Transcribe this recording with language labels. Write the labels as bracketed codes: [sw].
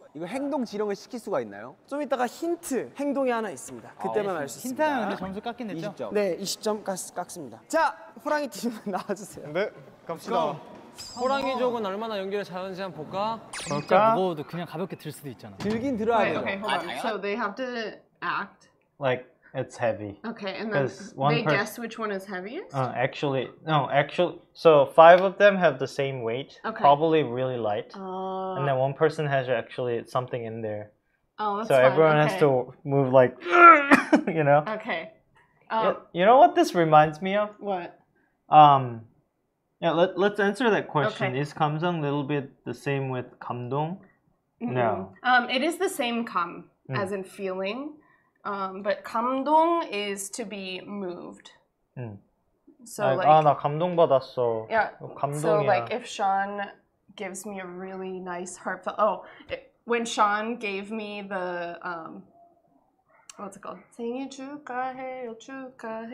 [ko] 이거 행동 지령을 시킬 수가 있나요? 좀 이따가 힌트 행동이 하나 있습니다. 그때만 알 수 있습니다. 힌트는 근데 점수 깎긴 했죠? 20점. 네, 20점 깎습니다. 자, 호랑이 팀 나와주세요. 네, 갑시다. 호랑이족은 얼마나 연결이 잘하는지 한번 볼까? 볼까? 진짜 무거워도 그냥 가볍게 들 수도 있잖아. 들긴 들어야 돼요. [en] Okay, hold on. So they have to act. Like, it's heavy. Okay, and then they guess which one is heaviest? Actually, so five of them have the same weight, okay. probably really light. And then one person has actually something in there. Oh, that's so fine. Everyone okay. has to move like, you know? Okay. You know what this reminds me of? What? Yeah, let's answer that question. Okay. Is 감성 a little bit the same with 감동? Mm-hmm. No. It is the same 감, mm. as in feeling. But 감동 is to be moved. Mm. So like [ko] 아, 나 감동 받았어. [en] Yeah. [ko] 감동이야. [en] So like if Sean gives me a really nice heartfelt. Oh, when Sean gave me the what's it called? [ko] 생일 축하해요 축하해요.